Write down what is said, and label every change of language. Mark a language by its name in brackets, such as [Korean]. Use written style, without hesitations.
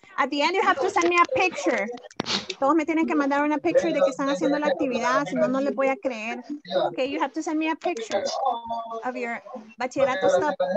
[English] At the end, you have to send me a picture. [Spanish] Todos me tienen que mandar una picture de que están haciendo la actividad, si no, no les voy a creer. [English] Okay, you have to send me a picture of your bachillerato stuff.